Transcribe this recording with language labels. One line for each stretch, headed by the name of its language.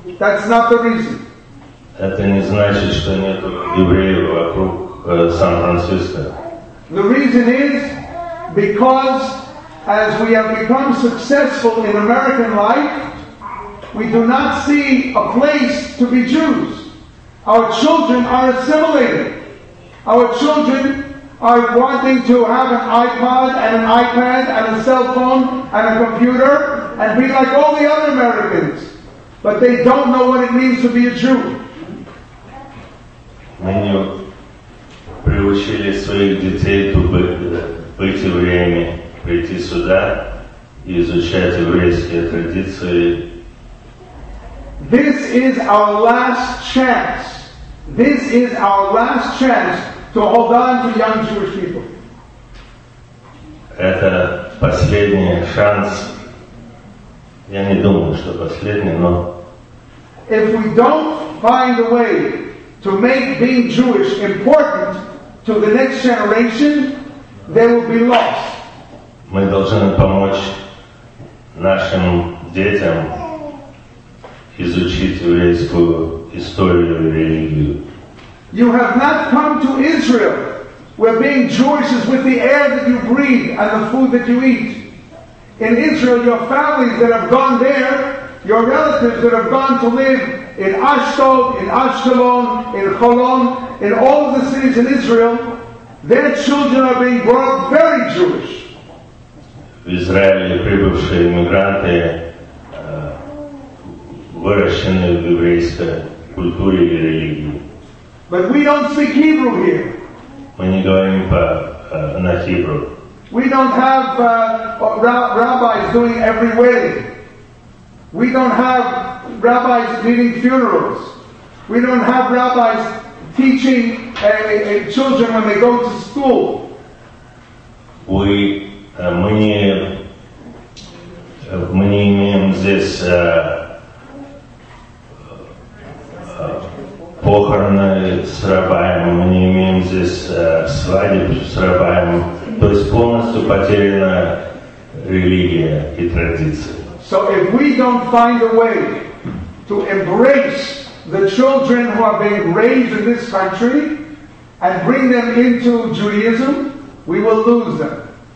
English: That's not the reason.
Russian: Это не значит, что нет евреев вокруг Сан-Франциско.
English: The reason is because as we have become successful in American life, we do not see a place to be Jews. Our children are assimilated. Our children are wanting to have an iPod and an iPad and a cell phone and a computer and be like all the other Americans. But they don't know what it means to be a Jew.
Russian: Мы не приучили своих детей быть евреями, прийти сюда и изучать еврейские традиции.
English: This is our last chance. This is our last chance to hold on to young Jewish people.
Russian: Это последний шанс. Я не думаю, что последний, но...
English: If we don't find a way to make being Jewish important to the next generation, they will be lost.
Russian: Мы должны помочь нашим детям изучить еврейскую историю и религию.
English: You have not come to Israel, where being Jewish is with the air that you breathe and the food that you eat. In Israel, your families that have gone there, your relatives that have gone to live in Ashdod, in Ashkelon, in Holon, in all of the cities in Israel, their children are being brought very Jewish.
Russian: В Израиле прибывшие иммигранты, выращенные в еврейской культуре и религии.
English: But we don't speak Hebrew here.
Russian: Мы не говорим на Hebrew.
English: We don't have rabbis doing every wedding. We don't have rabbis leading funerals. We don't have rabbis teaching children when they go to school.
Russian: Мы не имеем здесь похороны с рабами, мы не имеем здесь свадеб с рабами. То есть полностью потеряна религия и традиция.
English: So if we don't find a way to embrace the children who are being raised in this country and bring them into Judaism, we will lose them.